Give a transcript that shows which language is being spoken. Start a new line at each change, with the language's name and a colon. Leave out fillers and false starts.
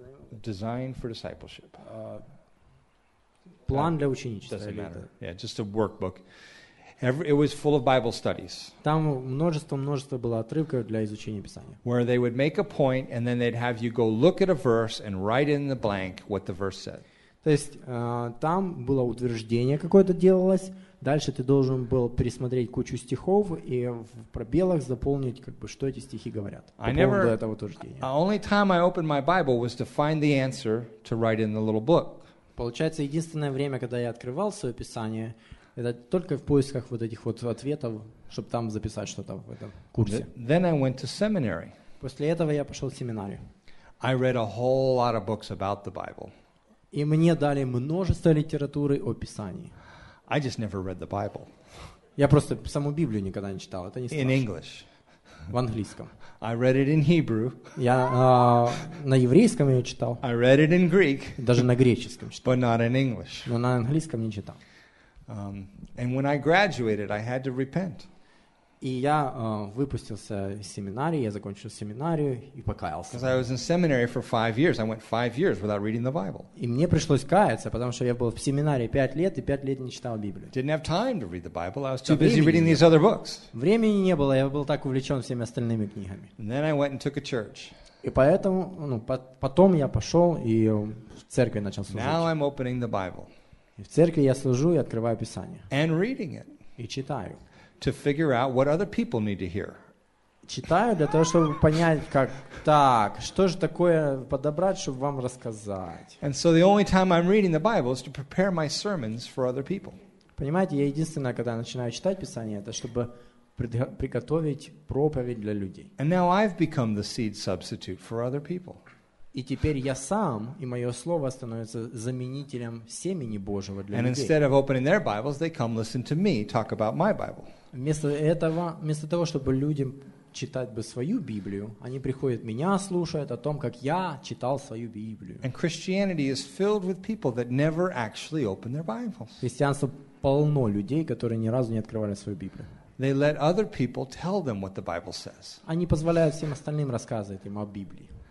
English: Design for Discipleship.
Russian: План для ученичества.
English: Doesn't matter. Yeah, just a workbook. It was full of Bible studies.
Russian: Там множество было отрывков для изучения Писания.
English: Where they would make a point and then they'd have you go look at a verse and write in the blank what the verse said.
Russian: То есть там было утверждение какое-то делалось, дальше ты должен был пересмотреть кучу стихов и в пробелах заполнить, как бы, что эти стихи говорят до этого утверждения.
English: The only time I opened my Bible was to find the answer to write in the little book.
Russian: Получается, единственное время, когда я открывал свое Писание, это только в поисках вот этих вот ответов, чтобы там записать что-то в этом курсе.
English: Then I went to seminary.
Russian: После этого я пошел в семинарию.
English: I read a whole lot of books about the Bible.
Russian: И мне дали множество литературы о Писании.
English: I just never read the Bible.
Russian: Я просто саму Библию никогда не читал. Это не страшно.
English: In English.
Russian: В английском.
English: I read it in Hebrew.
Russian: Я на еврейском ее читал.
English: I read it in Greek.
Russian: Даже на греческом читал.
English: But not in English.
Russian: Но на английском не читал.
English: And when I graduated, I had to repent.
Russian: И я выпустился из семинарии, я закончил семинарию и покаялся.
English: Because I was in seminary for 5 years, I went 5 years without reading the Bible.
Russian: И мне пришлось каяться, потому что я был в семинарии 5 лет и 5 лет не читал Библию.
English: Didn't have time to read the Bible. I was too busy reading these other books.
Russian: Времени не было, я был так увлечен всеми остальными книгами.
English: And then I went and took a church.
Russian: И поэтому, потом я пошел и в церкви начал служить.
English: Now I'm opening the Bible.
Russian: В церкви я служу и открываю Писание.
English: And reading it.
Russian: И читаю.
English: To figure out what other people need to hear.
Russian: Читаю для того, чтобы понять, как так, что же такое подобрать, чтобы вам рассказать.
English: And so the only time I'm reading the Bible is to prepare my sermons for other people.
Russian: Понимаете, я единственное, когда начинаю читать Писание, это чтобы приготовить проповедь для людей.
English: And now I've become the seed substitute for other people.
Russian: И теперь я сам, и мое слово становится заменителем семени Божьего для людей.
English: And instead of opening their Bibles, they come listen to me talk about my Bible.
Russian: Вместо того, чтобы людям читать бы свою Библию, они приходят меня слушают о том, как я читал свою Библию.
English: And Christianity is filled with people that never actually open their Bibles.
Russian: Христианство полно людей, которые ни разу не открывали свою Библию.
English: They let other people tell them what the Bible says.
Russian: Они позволяют всем остальным рассказывать им о Библии.